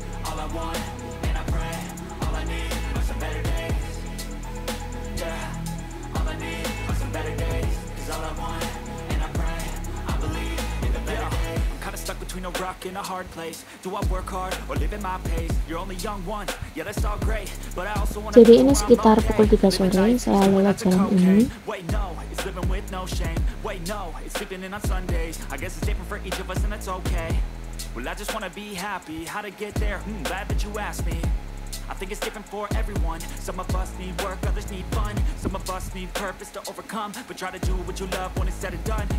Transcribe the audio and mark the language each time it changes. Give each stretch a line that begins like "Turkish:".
English: All I want, and I pray, all I need are some better days. Yeah, all I need are some better days. Cause all I want, and I pray, I believe in the better day. Stuck between a rock and a hard place. Do I work hard or live in my pace? You're only young once. Yeah, that's all great, but I also want to.
Indonesian: Jadi ini sekitar pukul 3 sore saya lewat jalan ini.
English: Wait, no, it's living with no shame. Wait, no, it's sleeping in on Sundays. I guess it's different for each of us and it's okay. Well, I just want to be happy. How to get there? Glad that you asked me. I think it's different for everyone. Some of us need work, others need fun. Some of us need purpose to overcome, but try to do what you love when it's said and done.